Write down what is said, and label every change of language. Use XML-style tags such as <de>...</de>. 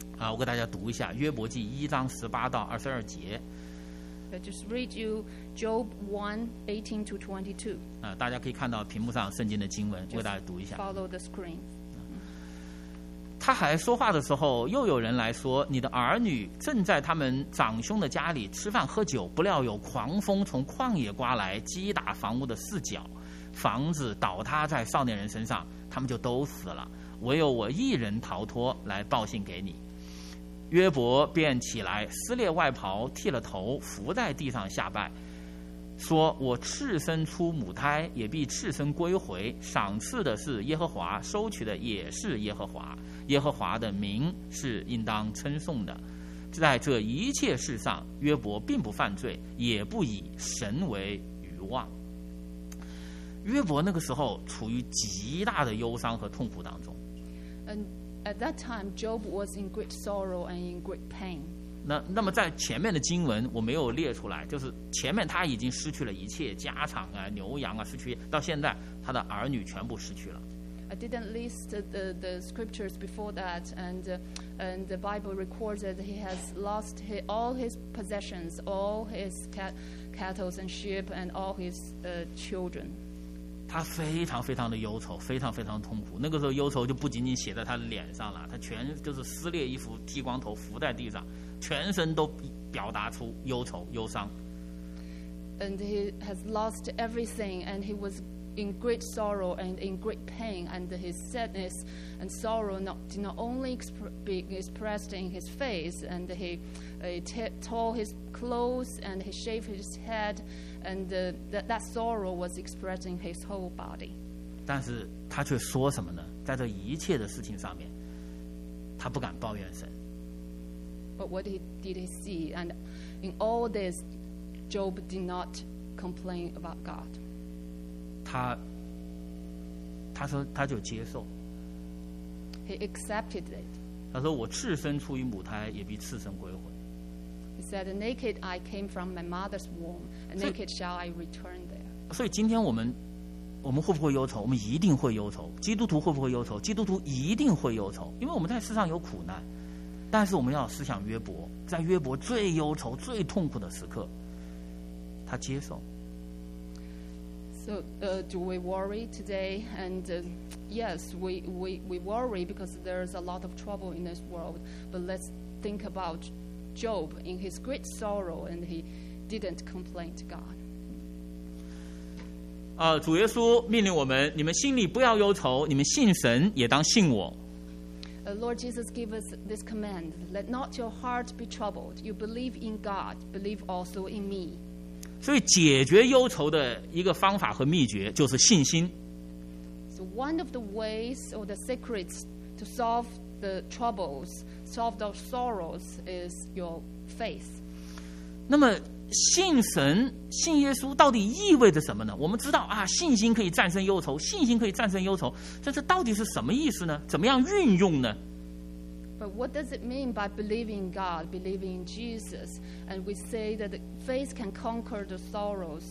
<zh>我给大家读一下约伯记一章十八到二十二节。</zh> <en>I just read you Job 1:18-22.</en> <zh>大家可以看到屏幕上圣经的经文，为大家读一下。</zh> <en>Follow the screen.</en> <zh>他还说话的时候，又有人来说，你的儿女正在他们长兄的家里吃饭喝酒，不料有狂风从旷野刮来，击打房屋的四角，房子倒塌在少年人身上，他们就都死了，唯有我一人逃脱来报信给你。约伯便起来撕裂外袍，剃了头，伏在地上下拜，说，我赤身出母胎，也必赤身归回，赏赐的是耶和华，收取的也是耶和华，耶和华的名是应当称颂的。在这一切事上，约伯并不犯罪，也不以神为愚妄。约伯那个时候处于极大的忧伤和痛苦当中。</zh> <en>And at that time Job was in great sorrow and in great pain.</en> <zh>那么在前面的经文我没有列出来，就是前面他已经失去了一切家产啊，牛羊啊，失去，到现在他的儿女全部失去了。</zh> <en>I didn't list the scriptures before that, and the Bible records that he has lost all his possessions, all his cattle and sheep, and all his children.</en> <zh>他非常非常的忧愁，非常非常痛苦。那个时候忧愁就不仅仅写在他的脸上了，他全就是撕裂衣服，剃光头，伏在地上，全身都表达出忧愁、忧伤。</zh> <en>And he has lost everything, and he was. In great sorrow and in great pain, and his sadness and sorrow did not only be expressed in his face, and he tore his clothes and he shaved his head, and that sorrow was expressed in his whole body.</en> <zh>但是他却说什么呢？在这一切的事情上面，他不敢抱怨神。</zh> <en>But what did he see? And in all this, Job did not complain about God.</en> <zh>他说他就接受。</zh> <en>He accepted it.</en> <zh>他说我赤身出于母胎，也必赤身归回。</zh> <en>He said, "Naked I came from my mother's womb, and naked shall I return there."</en> <zh>所以今天我们会不会忧愁？我们一定会忧愁。基督徒会不会忧愁？基督徒一定会忧愁，因为我们在世上有苦难。但是我们要思想约伯，在约伯最忧愁、最痛苦的时刻，他接受。</zh> <en>So, do we worry today? And yes, we worry because there's a lot of trouble in this world. But let's think about Job in his great sorrow, and he didn't complain to God.</en> <zh>主耶稣命令我们，你们心里不要忧愁，你们信神也当信我。</zh> <en>Lord Jesus gave us this command: Let not your heart be troubled. You believe in God, believe also in me.</en> <zh>所以解决忧愁的一个方法和秘诀就是信心。</zh> <en>So one of the ways or the secrets to solve the troubles, solve the sorrows is your faith.</en> <zh>那么信神、信耶稣到底意味着什么呢？我们知道啊，信心可以战胜忧愁，信心可以战胜忧愁，但是到底是什么意思呢？怎么样运用呢？</zh> <en>But what does it mean by believing in God, believing in Jesus? And we say that faith can conquer the sorrows.</en>